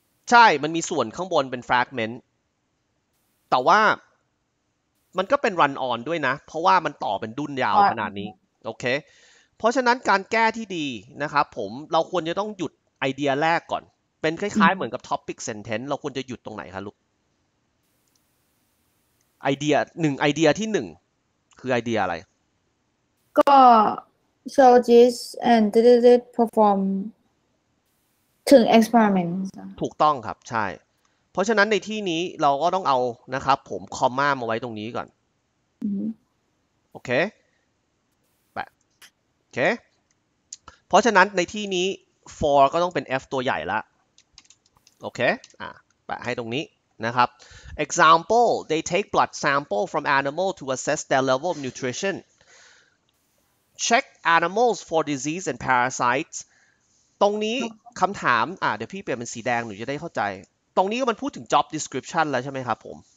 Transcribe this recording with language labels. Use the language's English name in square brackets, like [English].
[Thai] ใช่มันมีส่วนข้างบนเป็น fragmentแต่ว่ามันก็เป็นรันออนด้วยนะเพราะว่ามันต่อเป็นดุนยาวขนาดนี้โอเคเพราะฉะนั้นการแก้ที่ดีนะครับผมเราควรจะต้องหยุดไอเดียแรกก่อนเป็นคล้ายๆเหมือนกับ topic sentence เราควรจะหยุดตรงไหนคะลูกไอเดีย1ไอเดียที่1คือไอเดียอะไร [English] ก็ zoologists and did perform ถึง experiment [Thai] ถูกต้องครับใช่เพราะฉะนั้นในที่นี้เราก็ต้องเอานะครับผมคอมม่ามาไว้ตรงนี้ก่อน โอเคแปะโอเคเพราะฉะนั้นในที่นี้ for ก็ต้องเป็น f ตัวใหญ่ละโอเคแปะให้ตรงนี้นะครับ [English] example they take blood sample from animal to assess their level of nutrition check animals for disease and parasites [Thai] ตรงนี้คำถามเดี๋ยวพี่เปลี่ยนเป็นสีแดงหนูจะได้เข้าใจตรงนี้มันพูดถึง job description แล้วใช่ไหมครับผม